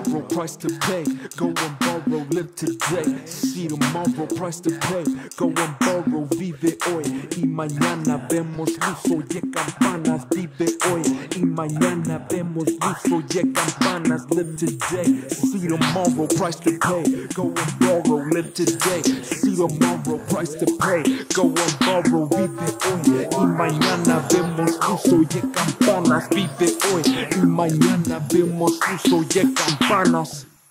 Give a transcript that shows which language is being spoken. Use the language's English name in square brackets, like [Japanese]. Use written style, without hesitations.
[English] Price to pay, go and borrow, live today. See tomorrow, price to pay. Go and borrow, [Spanish] vive hoy. Y mañana vemos luz, oye campanas. Vive hoy, y mañana vemos luz, oye campanas. [English] Live today, see tomorrow, price to pay. Go and borrow, live today. See tomorrow, price to pay. Go and borrow, [Spanish] vive hoy. Y mañana vemos luz, oye campanas. Vive hoy, y mañana vemos luz, oye campanas. Us.